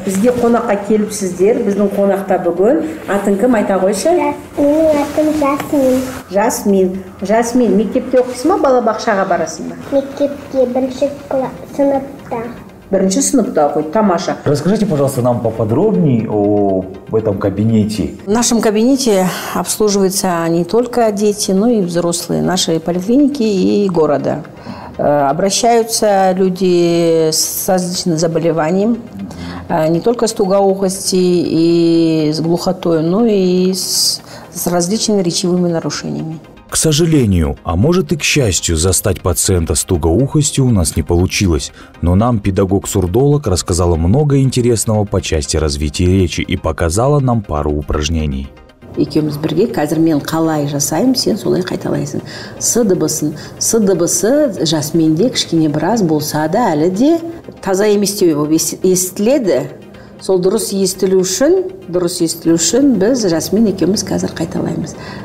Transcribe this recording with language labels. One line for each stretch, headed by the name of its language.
Kazakh: Бізге қонаққа келіпсіздер, біздің қонақта бүгін. Атың кім, айта қойшы? Менің атым Жасмин. Жасмин. Жасмин, мектепте оқисың ба, балабақшаға барасың ба? Мектепте, бірінші сыныпта. Бірінші сыныпта оқиды, тамаша.
Russian: Расскажите, пожалуйста, нам поподробнее об этом кабинете. В нашем кабинете обслуживаются не только дети, но и взрослые нашей поликлиники и города. Обращаются люди с различным заболеванием, не только с тугоухостью и с глухотой, но и с различными речевыми нарушениями. К сожалению, а может и к счастью, застать пациента с тугоухостью у нас не получилось, но нам педагог-сурдолог рассказала много интересного по части развития речи и показала нам пару упражнений.
Kazakh: Екеуміз бірге, қазір мен қалай жасайым, сен солай қайталайсың. С дыбысы Жасминде кішкене біраз болса да, әлі де таза емес деп естіледі. Сол дұрыс естілу үшін біз Жасмин екеуміз қазір қайталаймыз.